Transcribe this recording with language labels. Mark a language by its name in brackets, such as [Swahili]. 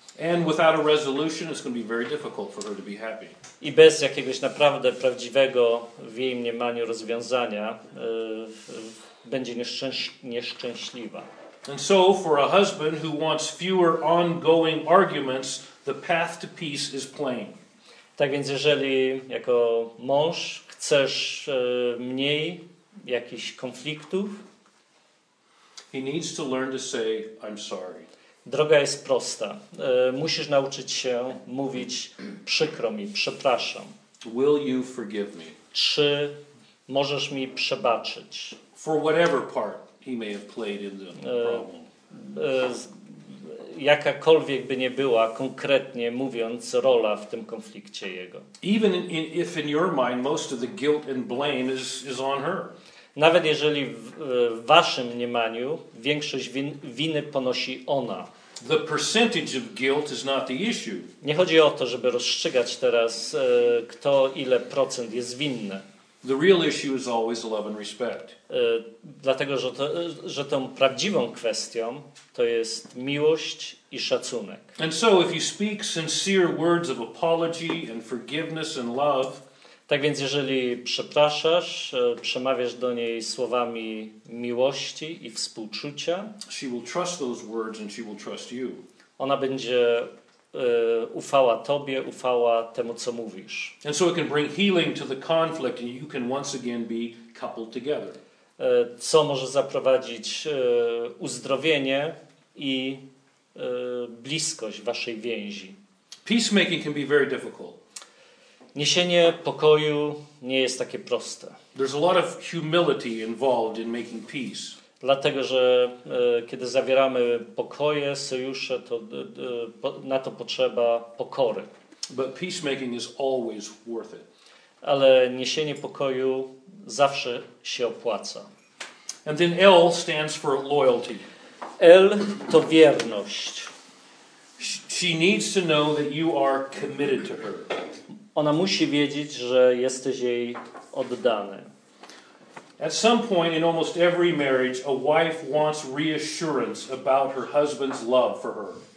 [English] And without a resolution it's going to be very difficult for her to be happy. [Polish] I bez jakiegoś naprawdę prawdziwego w jej mniemaniu rozwiązania będzie nieszczęśliwa. [English] And so for a husband who wants fewer ongoing arguments, the path to peace is plain. [Polish] Tak więc jeżeli jako mąż chcesz mniej jakichś konfliktów, [English] he needs to learn to say I'm sorry. [Polish] Droga jest prosta. Musisz nauczyć się mówić przykro mi, przepraszam. [English] Will you forgive me? [Polish] Czy możesz mi przebaczyć? [English] For whatever part he may have played in the problem. [Polish] Jakakolwiek by nie była, konkretnie mówiąc, rola w tym konflikcie jego. [English] Even if in your mind most of the guilt and blame is on her. [Polish] Nawet jeżeli w waszym mniemaniu większość winy ponosi ona. [English] The percentage of guilt is not the issue. [Polish] Nie chodzi o to, żeby rozstrzygać teraz, kto ile procent jest winny. [English] The real issue is always love and respect. [Polish] Dlatego, że tą prawdziwą kwestią to jest miłość i szacunek. [English] And so if you speak sincere words of apology and forgiveness and love, [Polish] tak więc jeżeli przepraszasz, przemawiasz do niej słowami miłości i współczucia, [English] she will trust those words and she will trust you. [Polish] Ona będzie ufała tobie, ufała temu, co mówisz. [English] And so it can bring healing to the conflict and you can once again be coupled together. [Polish] Co może zaprowadzić uzdrowienie i bliskość waszej więzi. [English] Peacemaking can be very difficult. [Polish] Niesienie pokoju nie jest takie proste. [English] There's a lot of humility involved in making peace. [Polish] Dlatego, że kiedy zawieramy pokoje, sojusze, to na to potrzeba pokory. [English] But peacemaking is always worth it. [Polish] Ale niesienie pokoju zawsze się opłaca. [English] And then L stands for loyalty. [Polish] L to wierność. [English] She needs to know that you are committed to her. [Polish] Ona musi wiedzieć, że jesteś jej oddany. [English] At some point in almost every marriage, a wife wants reassurance about her husband's love for her.